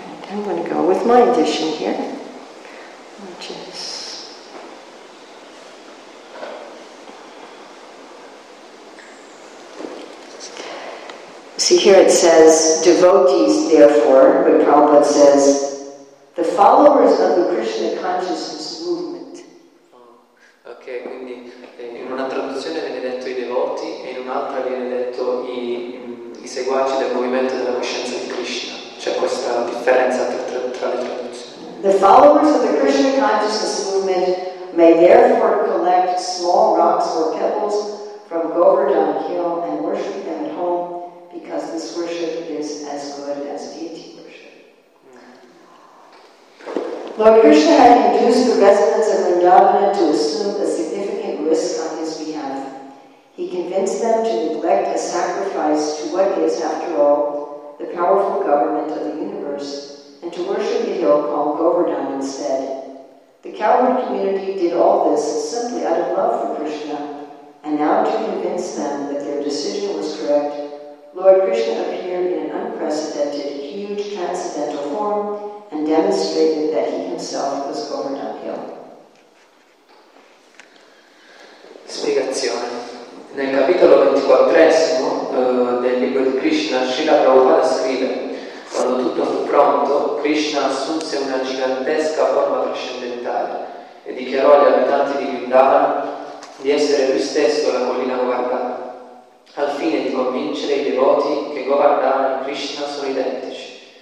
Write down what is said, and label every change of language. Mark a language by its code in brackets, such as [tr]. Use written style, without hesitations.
[en] I'm going to go with my addition here, which is see, here it says, devotees, therefore, but Prabhupada says, the followers of the Krishna consciousness movement. [it] Ok, quindi in una traduzione viene detto i devoti e in un'altra viene detto i seguaci del movimento della coscienza di Krishna. C'è questa differenza tra le traduzioni. [en] The followers of the Krishna consciousness movement may therefore collect small rocks or pebbles from Govardhan Hill and worship them at home, because this worship is as good as deity worship. Lord Krishna had induced the residents of Vrindavana to assume a significant risk on his behalf. He convinced them to neglect a sacrifice to what is, after all, the powerful government of the universe, and to worship a hill called Govardhan instead. The cowherd community did all this simply out of love for Krishna, and now to convince them that their decision was correct, Lord Krishna appeared in an unprecedented, huge, transcendental form and demonstrated that he himself was going uphill. [it] Spiegazione. Nel capitolo 24 del libro di Krishna, Srila Prabhupada scrive: quando tutto fu pronto, Krishna assunse una gigantesca forma trascendentale e dichiarò agli abitanti di Vrindavana di essere lui stesso la collina guardata, al fine di convincere i devoti che Govardhana e Krishna sono identici.